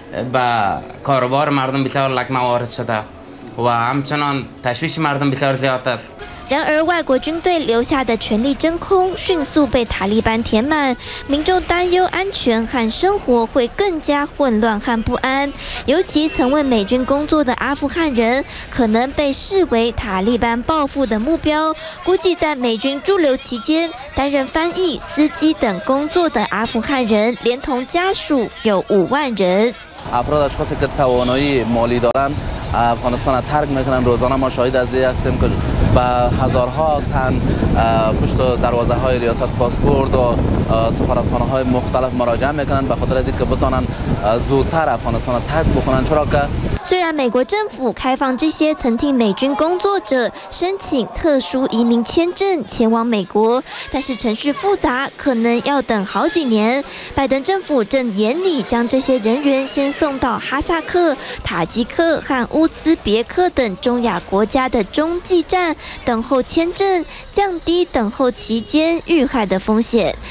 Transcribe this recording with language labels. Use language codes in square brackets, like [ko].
[fa] با کاروبار مردم بسیار لکمه وارد شده و همچنان تشویش مردم بسیار زیاد است。 [zh] 然而外国军队留下的权力真空迅速被塔利班填满，民众担忧安全和生活会更加混乱和不安，尤其曾为美军工作的阿富汗人可能被视为塔利班报复的目标，估计在美军驻留期间担任翻译、司机等工作的阿富汗人连同家属有5万人。 [fa] افراد اشخاصی که توانایی مالی دارند افغانستان را ترک میکنند روزانه ما شاهد از دی هستیم که و هزارها تن پشت دروازه های ریاست پاسپورت و سفارتخانه های مختلف مراجعه میکنن به خاطر اینکه بتونن زودتر افغانستان ترک بکنن چرا که [zh] 虽然美国政府开放这些曾替美军工作者申请特殊移民签证前往美国，但是程序复杂，可能要等好几年。拜登政府正严厉将这些人员先送到哈萨克、塔吉克和乌兹别克等中亚国家的中继站等候签证，降低等候期间遇害的风险。